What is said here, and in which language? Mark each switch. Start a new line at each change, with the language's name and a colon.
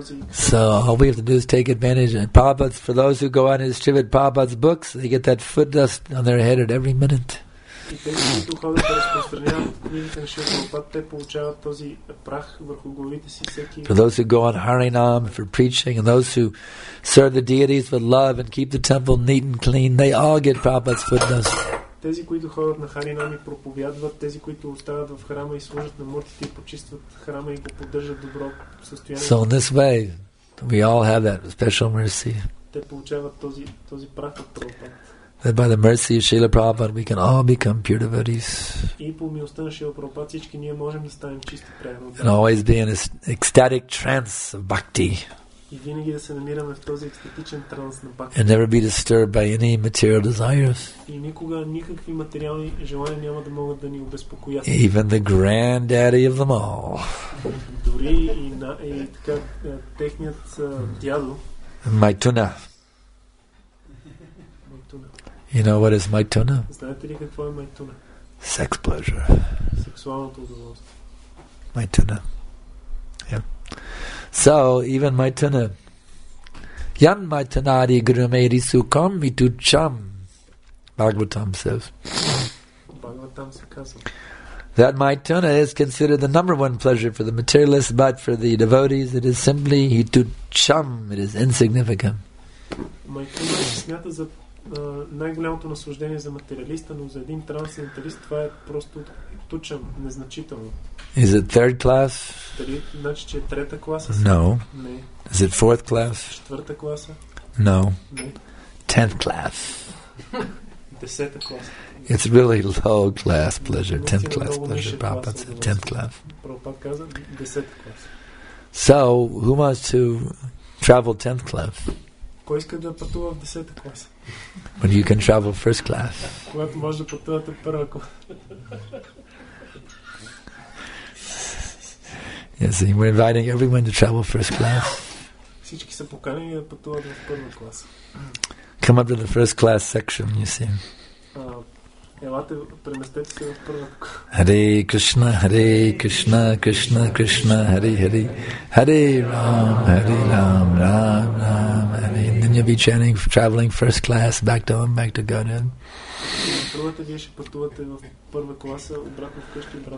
English: So all we have to do is take advantage. And Prabhupada's, for those who go out and distribute Prabhupada's books, they get that foot dust on their head at every minute.
Bulgarian: И тези, които ходят да разпространяват книгите на Шрила Прабхупада, те получават този прах върху главите си всеки.
English: For those who go on Harinam for preaching and those who serve the deities with love and keep the temple neat and clean, they all get Prabhupada's foot dust.
Bulgarian: Тези, които ходят на Харинам и проповядват, тези, които остават в храма и служат на муртите и почистват храма и го поддържат добро състояние.
English: So in this way, we all have that special mercy.
Bulgarian: Те получават този прах от Прабхупада.
English: That by the mercy of Srila Prabhupada we can all become pure devotees.
Bulgarian: И по милостта на Шрила Прабхупада всички ние можем да станем чисти преданици.
English: And always be in this ecstatic trance of bhakti.
Bulgarian: И винаги да се намираме в този екстатичен транс на бхакти.
English: And never be disturbed by any material desires.
Bulgarian: И никога никакви материални желания няма да могат да ни обезпокоят.
English: Even the granddaddy of them all.
Bulgarian: Дори и на и така техният дядо. Майтуна.
English: You know what is майтуна?
Bulgarian: Знаете ли какво е майтуна?
English: Sex pleasure.
Bulgarian: Сексуалното удоволствие. Майтуна.
English: So, even Maituna.
Sanskrit: Yan Maitunari Grumeri Sukham Vitu Cham.
English: Bhagavatam says. Bhagavatam that Maituna is considered the number one pleasure for the materialist, but for the devotees, it is simply Hitu Cham. It is insignificant. Maituna is
Bulgarian: smята за най-голямото наслаждение за материалиста, но за един трансценденталист това е просто тучам, незначително.
English: Is it third class?
Bulgarian: Значи, че е трета класа?
English: No.
Bulgarian: Не.
English: Is it fourth class?
Bulgarian: Четвърта класа?
English: No.
Bulgarian: Не.
English: Tenth class.
Bulgarian: Десета класа.
English: It's really low class pleasure. Tenth class pleasure. Prabhupada said tenth class.
Bulgarian: Прабхупада каза десета класа.
English: So, who wants to travel tenth class?
Bulgarian: Кой иска да пътува в десета класа?
English: When you can travel first class.
Bulgarian: Когато може да пътувате първа класа.
English: Yes, and we're inviting everyone to travel first class.
Bulgarian: Всички са поканени да пътуват в първа класа.
English: Come up to the first class section, you see.
Bulgarian: Елате, преместете се в първа класа.
Sanskrit: Hare Krishna, Hare Krishna, Krishna Krishna, Hare Hare. Hare Ram, Hare Ram, Ram Ram, Hare.
English: And then you'll be chanting, traveling first class, back to home, back to Godhead.
Bulgarian: Първата вие ще пътувате в първа класа, обратно в къщи, обратно.